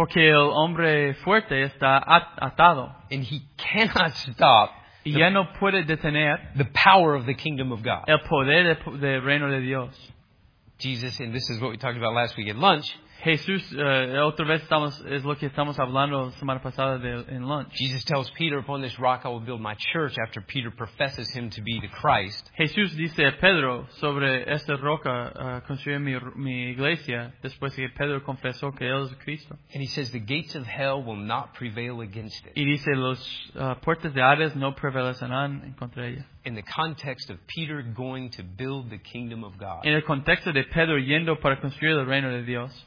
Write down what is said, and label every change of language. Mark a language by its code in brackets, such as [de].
[es] Porque el hombre fuerte está atado. [en] And he cannot stop. [es] Y ya no puede detener. [en] The power of the kingdom of God. [es] El poder del reino de Dios. [en] Jesus, and this is what we talked about last week at lunch. [es] Jesús, otra vez estamos, es lo que estamos hablando la semana pasada en lunch. [en] Jesus tells Peter, upon this rock I will build my church after Peter professes him to be the Christ. [es] Jesús dice a Pedro, sobre esta roca construye mi iglesia después que Pedro confesó que él es Cristo. [en] And he says the gates of hell will not prevail against it. [es] Y dice los puertas de Hades no prevalecerán contra ella. [en] In the context of Peter going to build the kingdom of God. [es] En el contexto de Pedro yendo para construir el reino de Dios.